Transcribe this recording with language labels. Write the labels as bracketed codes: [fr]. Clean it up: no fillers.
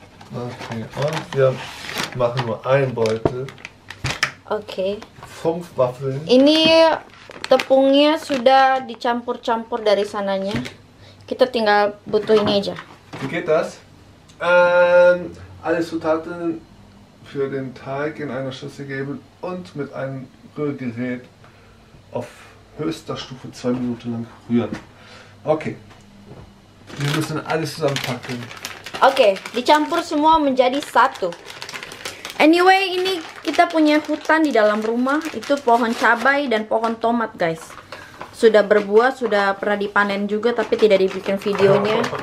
[de] Okay, und wir machen nur einen Beutel. Okay. Fünf Waffeln. [id] Ini tepungnya sudah dicampur-campur dari sananya. Kita tinggal butuh ini aja. [de] Wie geht das? Alle Zutaten für den Teig in einer Schüssel geben und mit einem Rührgerät auf höchster Stufe 2 Minuten lang rühren. Okay. Wir müssen alles zusammenpacken. [id] Okay, dicampur semua menjadi satu. Anyway, ini kita punya hutan di dalam rumah, itu pohon cabai dan pohon tomat, guys. Sudah berbuah, sudah pernah dipanen juga, tapi tidak dibikin videonya.